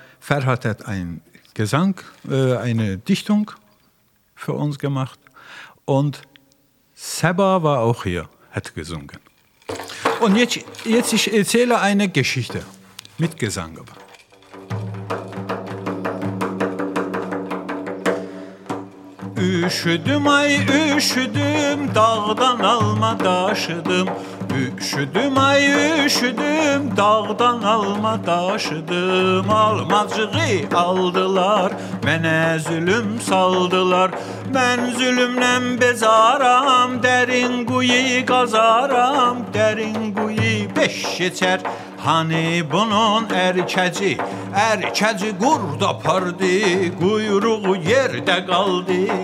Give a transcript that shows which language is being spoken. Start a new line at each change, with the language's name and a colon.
German: Ferhat hat ein Gesang, eine Dichtung für uns gemacht. Und Seba war auch hier, hat gesungen. Und jetzt ich erzähle eine Geschichte mit Gesang.
Azerbaijani: Üşüdüm ay üşüdüm, dağdan alma daşıdım. Üşüdüm ay üşüdüm, dağdan alma daşıdım. Almacığı aldılar, mənə zülüm saldılar. Mən zülümlə bezaram, dərin quyu qazaram. Dərin quyu beş keçər, hani bunun erkəci. Erkəci qurd apardı, quyruğu yerdə qaldı.